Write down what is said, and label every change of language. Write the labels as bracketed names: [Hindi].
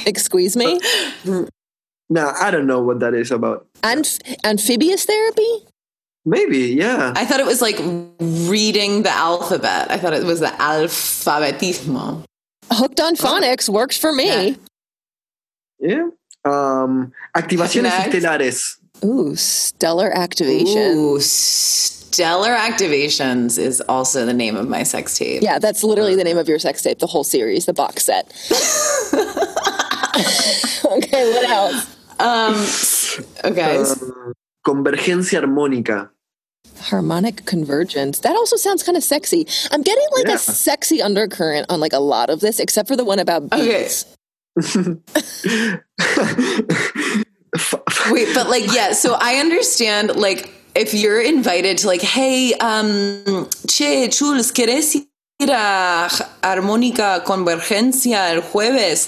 [English] Excuse me? No, I don't know what that is about. Amphibious therapy? Maybe, yeah. I thought it was like reading the alphabet. I thought it was the alfabetismo. Hooked on phonics works for me. Yeah. [Spanish] Activaciones estelares. [English] Ooh, stellar activations. Ooh, stellar activations is also the name of my sex tape. Yeah, that's literally the name of your sex tape, the whole series, the box set. Okay, what else? Okay. [Spanish] Convergencia armónica. [English] Harmonic convergence. That also sounds kind of sexy. I'm getting like a sexy undercurrent on like a lot of this, except for the one about beats. Okay. Wait, but like, yeah, so I understand like if you're invited to like, hey, che, Chulz, [Spanish] ¿quieres ir a armónica convergencia el jueves?